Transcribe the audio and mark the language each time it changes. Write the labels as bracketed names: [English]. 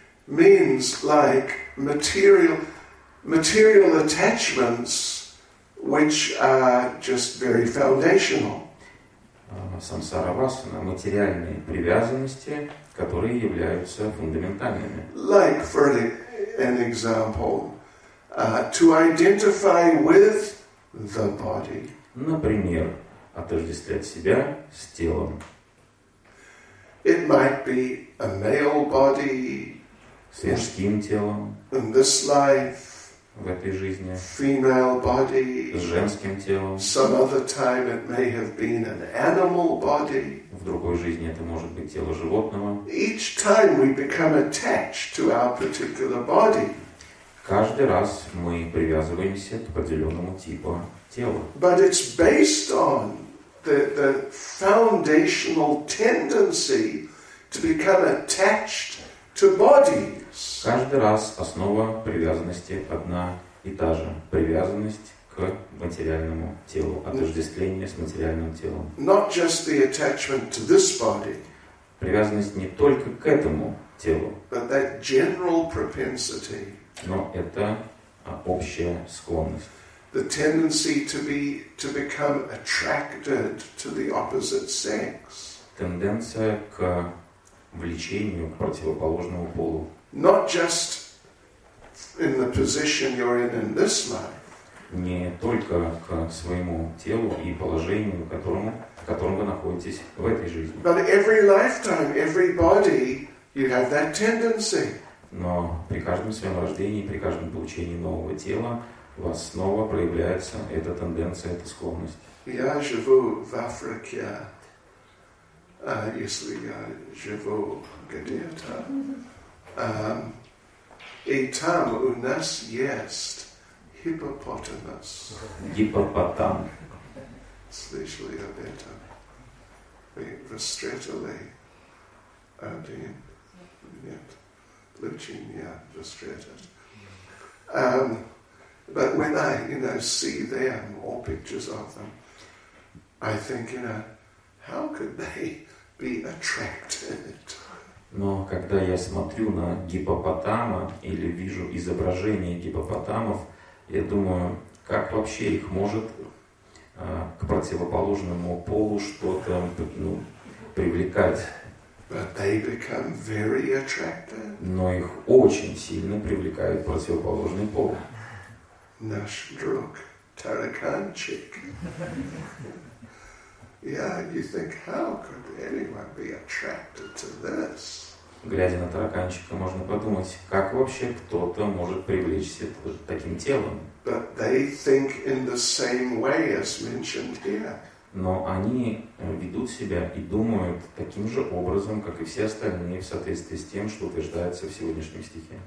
[English] Means like material. Material attachments, which are just very foundational. [Russian] Samsara vasana, материальные привязанности, которые являются фундаментальными. [English] Like for an example, to identify with the body. [Russian] Например, отождествлять себя с телом. [English] It might be a male body. [Russian] С мужским телом. [English] In this life. [Russian] В этой жизни. [English] Female body. [Russian] С женским телом. [English] Some other time it may have been an animal body. [Russian] В другой жизни это может быть тело животного. [English] Each time we become attached to our particular body. [Russian] Каждый раз мы привязываемся к определенному типу тела. [English] But it's based on the foundational tendency to become attached to body. [Russian] Каждый раз основа привязанности одна и та же. Привязанность к материальному телу, отождествление с материальным телом. [English] Not just the attachment to this body, [Russian] привязанность не только к этому телу, [English] but that general propensity, [Russian] но это общая склонность. [English] The tendency to become attracted to the opposite sex. [Russian] Тенденция к влечению к противоположному полу. [English] Not just in the position you're in this life. [Russian] Не только к своему телу и положению, в котором вы находитесь в этой жизни. [English] But every lifetime, every body, you have that tendency. [Russian] Но при каждом своем рождении, при каждом получении нового тела, у вас снова проявляется эта тенденция, эта склонность. Я живу в Африке. Если я живу где-то. И там у нас есть гиппопотамус. Гиппопотам. Слышали об этом? Мы встретили один. Нет. Лучше меня встретить. [English] But when I, you know, see them or pictures of them, I think, you know, how could they be attracted? [Russian] Но когда я смотрю на гиппопотама или вижу изображение гиппопотамов, я думаю, как вообще их может к противоположному полу что-то, ну, привлекать. [English] But they become very attractive. [Russian] Но их очень сильно привлекает противоположный пол. Наш друг Тараканчик. [English] Yeah, you think, how could anyone be attracted to this? [Russian] Глядя на тараканчика, можно подумать, как вообще кто-то может привлечься таким телом. [English] But they think in the same way as mentioned here. [Russian] Но они ведут себя и думают таким же образом, как и все остальные, в соответствии с тем, что утверждается в сегодняшнем стихе.